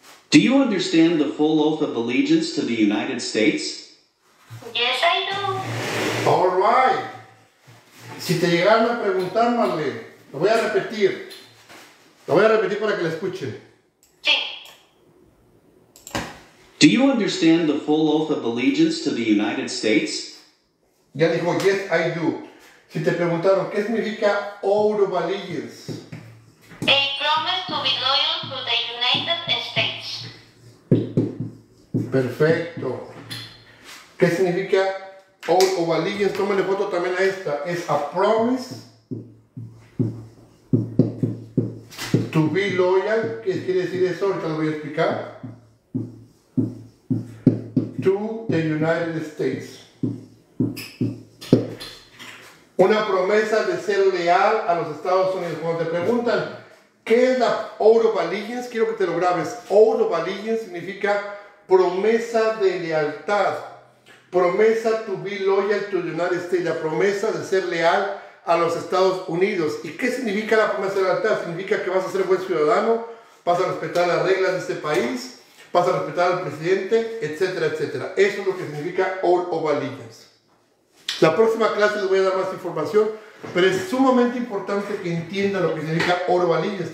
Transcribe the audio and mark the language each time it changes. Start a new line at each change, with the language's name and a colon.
English: Do you understand the full oath of allegiance to the United States? Yes, I do. All right.
Spanish: Si te llegaron a preguntar, Marlene, lo voy a repetir. Lo voy a repetir para que la escuchen. Sí.
English: Do you understand the full oath of allegiance to the United States?
Spanish: Ya dijo,
English: yes, I do.
Spanish: Si te preguntaron, ¿qué significa oath of allegiance?
English: A promise to be loyal to the United States.
Spanish: Perfecto. ¿Qué significa oath of allegiance? Tómale foto también a esta. Es
English: a promise to be loyal.
Spanish: ¿Qué quiere decir eso? Ahorita lo voy a explicar.
English: To the United States.
Spanish: Una promesa de ser leal a los Estados Unidos. Cuando te preguntan, ¿qué es la oath of allegiance? Quiero que te lo grabes. Oath of allegiance significa promesa de lealtad.
English: Promesa to be loyal to the United States.
Spanish: La promesa de ser leal a los Estados Unidos. ¿Y qué significa la promesa de lealtad? Significa que vas a ser buen ciudadano, vas a respetar las reglas de este país, vas a respetar al presidente, etcétera, etcétera. Eso es lo que significa oath of allegiance. La próxima clase les voy a dar más información, pero es sumamente importante que entiendan lo que significa oro valillas.